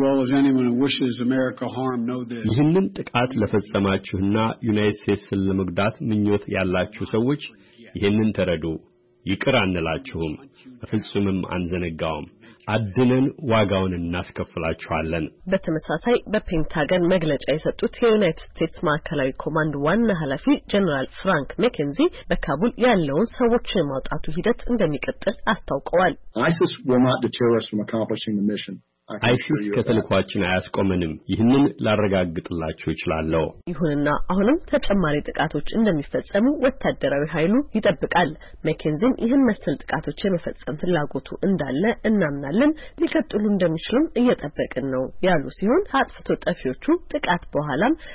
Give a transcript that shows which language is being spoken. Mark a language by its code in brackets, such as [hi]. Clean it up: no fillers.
[am] ይህንን ጥቃት ለፈጸማችሁና ዩናይትድ ስቴትስን ለመጉዳት ምኞት ያላችሁ ሰዎች ይህንን ተረዱ ይቅር አንላችሁም፣ ፍጹምም አንዘነጋውም። አድነን ዋጋውን እናስከፍላችኋለን። በተመሳሳይ በፔንታገን መግለጫ የሰጡት የዩናይትድ ስቴትስ ማዕከላዊ ኮማንድ ዋና ኃላፊ ጀነራል ፍራንክ መኬንዚ በካቡል ያለውን ሰዎች የማውጣቱ ሂደት እንደሚቀጥል አስታውቀዋል። [en] ISIS will not deter us from accomplishing the mission. [am] አይሲስ ከተልኳችን አያስቆመንም። ይህንን ላረጋግጥላችሁ እችላለሁ። ይሁንና አሁንም ተጨማሪ ጥቃቶች እንደሚፈጸሙ ወታደራዊ ኃይሉ ይጠብቃል። መኬንዚም ይህን መሰል ጥቃቶች የመፈጸም ፍላጎቱ እንዳለ እናምናለን፣ ሊቀጥሉ እንደሚችሉም እየጠበቅን ነው ያሉ ሲሆን አጥፍቶ ጠፊዎቹ ጥቃት በኋላም